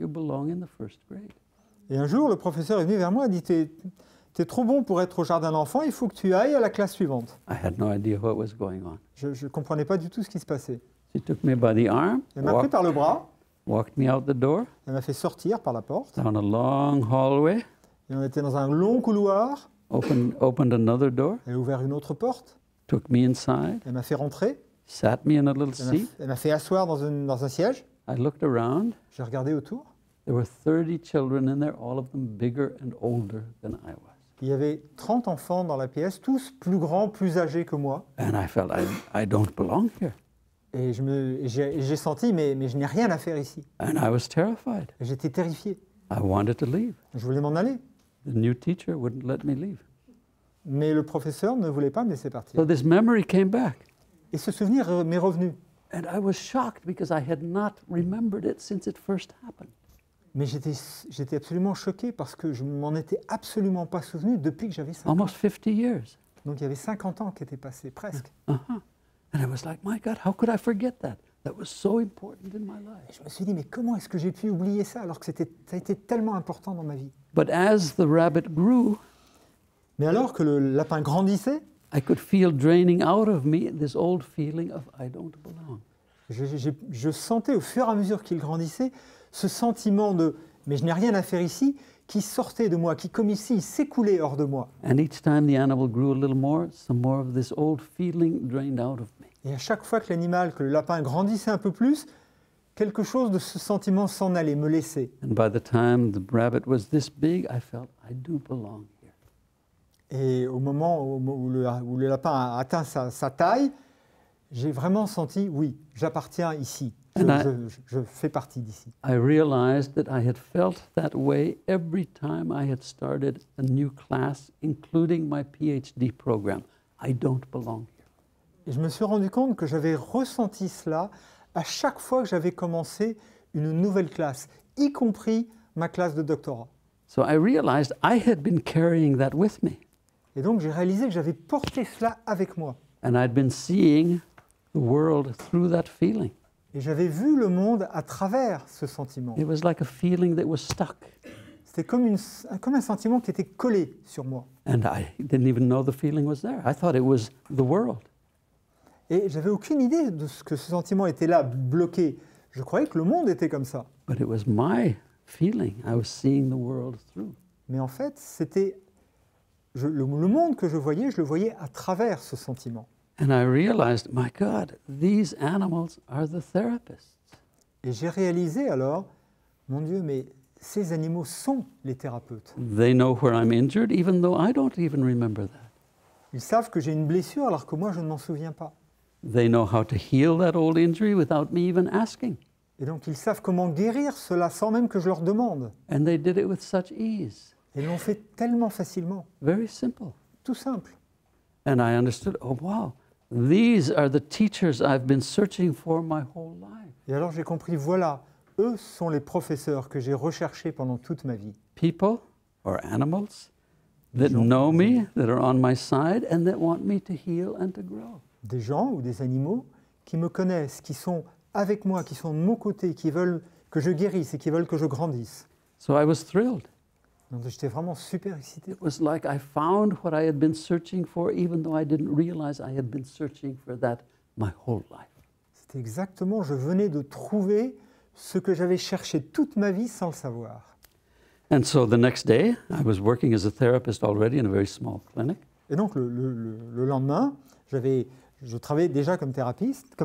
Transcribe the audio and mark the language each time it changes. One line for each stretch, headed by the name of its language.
English: You belong in the first grade.
French: Et un jour, le professeur est venu vers moi et dit, t'es trop bon pour être au jardin d'enfant, il faut que tu ailles à la classe suivante.
English: I had no idea what was going on.
French: Je comprenais pas du tout ce qui se passait.
English: She took me by the arm.
French: Elle m'a pris par le bras.
English: Walked me out the door.
French: Elle m'a fait sortir par la porte.
English: Down a long hallway.
French: Et on était dans un long couloir.
English: Opened another door.
French: Elle a ouvert une autre porte.
English: Took me inside.
French: Elle m'a fait rentrer.
English: Sat me in a little seat.
French: Elle m'a fait asseoir dans un siège.
English: I looked around.
French: J'ai regardé autour.
English: There were 30 children in there, all of them bigger and older than I was.
French: Il y avait 30 enfants dans la pièce, tous plus grands, plus âgés que moi.
English: And I felt I don't belong here.
French: Et j'ai senti, mais je n'ai rien à faire ici.
English: And I was terrified.
French: Et j'étais terrifié.
English: I wanted to leave.
French: Je voulais m'en aller.
English: The new teacher wouldn't let me leave.
French: Mais le professeur ne voulait pas me laisser partir.
English: So this memory came back.
French: Et ce souvenir m'est revenu.
English: And I was shocked because I had not remembered it since it first happened.
French: Mais j'étais absolument choqué parce que je m'en étais absolument pas souvenu depuis que j'avais 50
English: ans. Almost 50 years.
French: Donc il y avait 50 ans qui étaient passés presque. Uh-huh.
English: And I was like, my God, how could I forget that? That was so important in my life.
French: Et je me suis dit, mais comment est-ce que j'ai pu oublier ça alors que ça a été tellement important dans ma vie?
English: But as the rabbit grew,
French: mais alors que le lapin grandissait,
English: I could feel draining out of me this old feeling of I don't belong.
French: Je sentais au fur et à mesure qu'il grandissait ce sentiment de mais je n'ai rien à faire ici qui sortait de moi, qui comme ici s'écoulait hors de moi.
English: And each time the animal grew a little more, some more of this old feeling drained out of me.
French: Et à chaque fois que l'animal, que le lapin grandissait un peu plus, quelque chose de ce sentiment s'en allait, me laissait.
English: And by the time the rabbit was this big, I felt I do belong.
French: Et au moment où le lapin a atteint sa taille, j'ai vraiment senti, oui, j'appartiens ici. Je fais partie d'ici.
English: I realized that I had felt that way every time I had started a new class, including my PhD program. I don't belong here.
French: Et je me suis rendu compte que j'avais ressenti cela à chaque fois que j'avais commencé une nouvelle classe, y compris ma classe de doctorat.
English: So I realized I had been carrying that with me.
French: Et donc j'ai réalisé que j'avais porté cela avec moi.
English: And I'd been seeing the world through that feeling.
French: Et j'avais vu le monde à travers ce sentiment.
English: It was like a feeling that was stuck.
French: C'était comme un sentiment qui était collé sur moi.
English: And I didn't even know the feeling was there. I thought it was the world.
French: Et j'avais aucune idée de ce que ce sentiment était là, bloqué. Je croyais que le monde était comme ça.
English: But it was my feeling. I was seeing the world through.
French: Mais en fait, c'était le monde que je le voyais à travers ce sentiment.
English: And I realized, my God, these animals are the therapists.
French: Et j'ai réalisé alors, mon Dieu, mais ces animaux sont les thérapeutes.
English: They know where I'm injured, even though I don't even remember that.
French: Ils savent que j'ai une blessure alors que moi je ne m'en souviens pas.
English: They know how to heal that old injury without me even asking.
French: Et donc ils savent comment guérir cela sans même que je leur demande.
English: And they did it with such ease.
French: Et ils l'ont fait tellement facilement.
English: Very simple.
French: Tout simple.
English: And I understood, oh wow, these are the teachers I've been searching for my whole life.
French: Et alors j'ai compris, voilà, eux sont les professeurs que j'ai recherchés pendant toute ma vie.
English: People or animals that know me, that are on my side, and that want me to heal and to grow.
French: Des gens ou des animaux qui me connaissent, qui sont avec moi, qui sont de mon côté, qui veulent que je guérisse et qui veulent que je grandisse.
English: So I was thrilled.
French: Donc j'étais vraiment super excité.
English: It was like I found what I had been searching for, even though I didn't realize I had been searching for that my whole life.
French: C'était exactement, je venais de trouver ce que j'avais cherché toute ma vie sans le savoir.
English: And so the next day, I was working as a therapist already in a very small clinic.
French: Et donc le lendemain, je travaillais déjà comme thérapeute,